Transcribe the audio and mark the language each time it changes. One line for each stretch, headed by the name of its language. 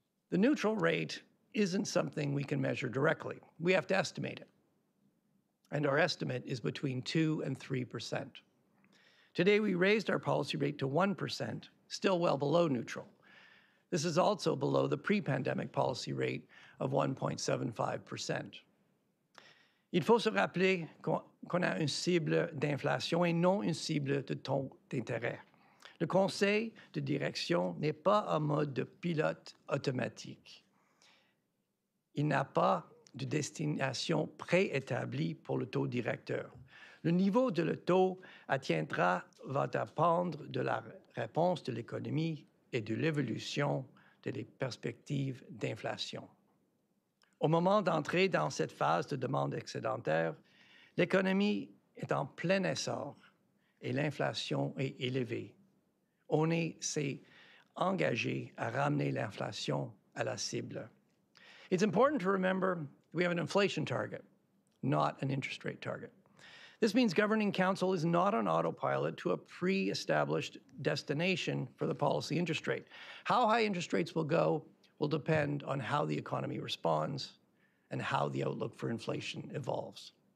English: The neutral rate isn't something we can measure directly. We have to estimate it. And our estimate is between 2 and 3%. Today, we raised our policy rate to 1%, still well below neutral. This is also below the pre-pandemic policy rate of 1.75%.
French: Il faut se rappeler qu'on a une cible d'inflation et non une cible de taux d'intérêt. Le conseil de direction n'est pas en mode de pilote automatique. Il n'a pas de destination préétablie pour le taux directeur. Le niveau de le taux atteindra va dépendre de la réponse de l'économie et de l'évolution des perspectives d'inflation. Au moment d'entrer dans cette phase de demande excédentaire, l'économie est en plein essor et l'inflation est élevée. On s'est engagé à ramener l'inflation à la cible.
English: It's important to remember we have an inflation target, not an interest rate target. This means governing council is not on autopilot to a pre-established destination for the policy interest rate. How high interest rates will go will depend on how the economy responds and how the outlook for inflation evolves.